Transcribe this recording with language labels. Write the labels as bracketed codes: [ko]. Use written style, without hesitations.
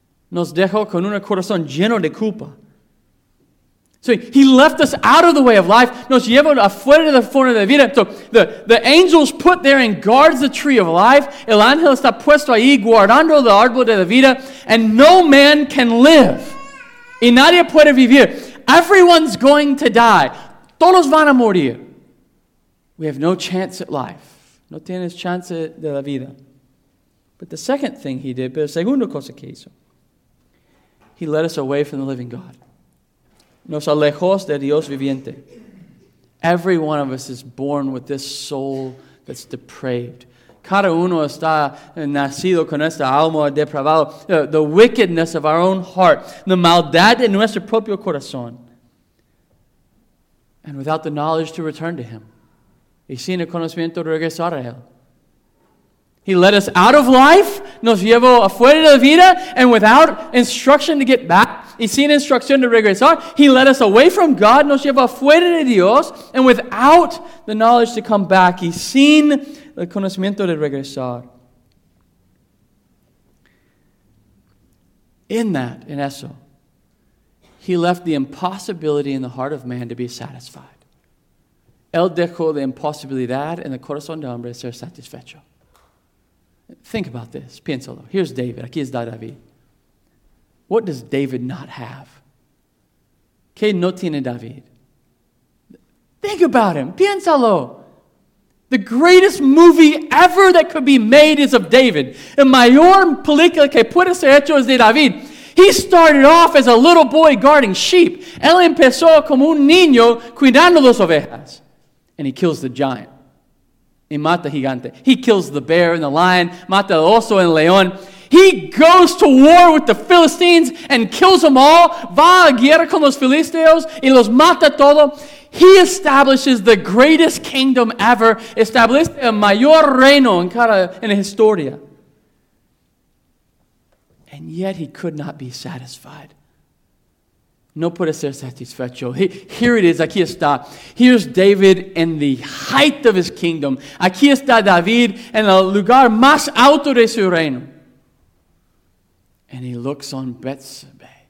[es] Nos dejó con un corazón lleno de culpa. [en] So he left us out of the way of life. [es] Nos llevó afuera de la forma de vida. [en] So the angels put there and guards the tree of life. [es] El ángel está puesto ahí guardando el árbol de la vida. [en] And no man can live. [es] Y nadie puede vivir. [en] Everyone's going to die. [es] Todos van a morir. [en] We have no chance at life. [es] No tienes chance de la vida. [en] But the second thing he did, [es] pero segunda cosa que hizo, [en] he led us away from the living God. [es] Nos alejos de Dios viviente. [en] Every one of us is born with this soul that's depraved. [es] Cada uno está nacido con esta alma depravada. [en] The wickedness of our own heart. [es] The maldad de nuestro propio corazón. [en] And without the knowledge to return to Him. [es] Y sin el conocimiento de regresar a Él. [en] He led us out of life. [es] Nos llevó afuera de la vida. [en] And without instruction to get back. [es] Y sin instrucción de regresar, [en] he led us away from God, [es] nos lleva fuera de Dios, [en] and without the knowledge to come back, [es] y sin el conocimiento de regresar. [en] In eso, he left the impossibility in the heart of man to be satisfied. [es] Él dejó la imposibilidad en el corazón del hombre ser satisfecho. [en] Think about this, [es] piénsalo. [en] Here's David, [es] aquí está David. [en] What does David not have? [es] ¿Qué no tiene David? [en] Think about him. [es] Piénsalo. [en] The greatest movie ever that could be made is of David. [es] El mayor película que puede ser hecho es de David. [en] He started off as a little boy guarding sheep. [es] Él empezó como un niño cuidando las ovejas. [en] And he kills the giant. [es] Y mata gigante. [en] He kills the bear and the lion. [es] Mata el oso and el león. [en] He goes to war with the Philistines and kills them all. [es] Va a guerra con los filisteos y los mata todo. [en] He establishes the greatest kingdom ever. [es] Establece el mayor reino en cada en la historia. [en] And yet he could not be satisfied. [es] No puede ser satisfecho. [en] Here it is. [es] Aquí está. [en] Here's David in the height of his kingdom. [es] Aquí está David en el lugar más alto de su reino. [en] And he looks on Bathsheba.